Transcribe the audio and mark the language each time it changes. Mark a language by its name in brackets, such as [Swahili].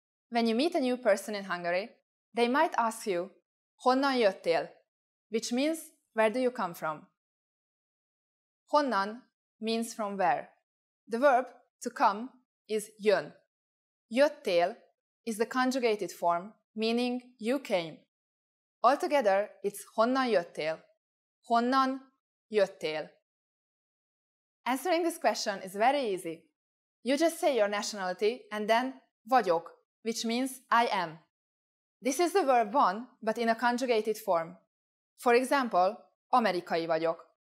[English] When you meet a new person in Hungary, they might ask you, [Hungarian] honnan jöttél? [English] Which means, where do you come from? Honnan means from where. The verb to come is jön. Jöttél is the conjugated form, meaning you came. Altogether, it's [Hungarian] honnan jöttél. Honnan jöttél. [English] Answering this question is very easy. You just say your nationality and then vagyok, which means I am. This is the verb van, but in a conjugated form. For example, [Hungarian] amerikai vagyok.